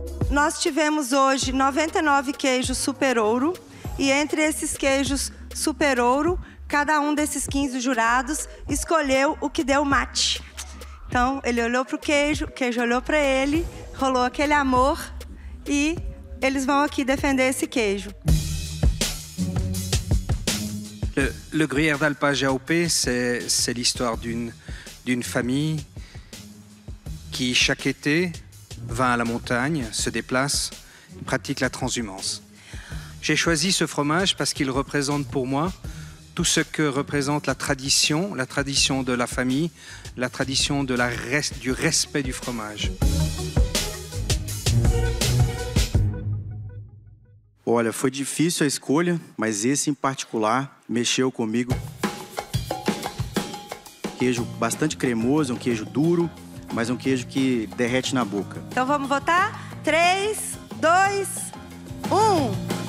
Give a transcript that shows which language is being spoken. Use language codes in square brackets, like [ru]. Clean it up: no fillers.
[pt] Nós tivemos hoje 99 queijos super ouro e entre esses queijos super ouro, cada um desses 15 jurados escolheu o que deu match. Então, ele olhou para o queijo olhou para ele, rolou aquele amor e eles vão aqui defender esse queijo. [fr] Le Gruyère d'Alpage AOP, c'est l'histoire d'une famille qui chaque été va à la montagne, se déplace, pratique la transhumance. J'ai choisi ce fromage parce qu'il représente pour moi tout ce que représente la tradition de la famille, la tradition de du respect du fromage. [pt] Olha, foi difícil a escolha, mas esse em particular mexeu comigo. Queijo bastante cremoso, um queijo duro, mas um queijo que derrete na boca. Então vamos votar? 3, 2, 1.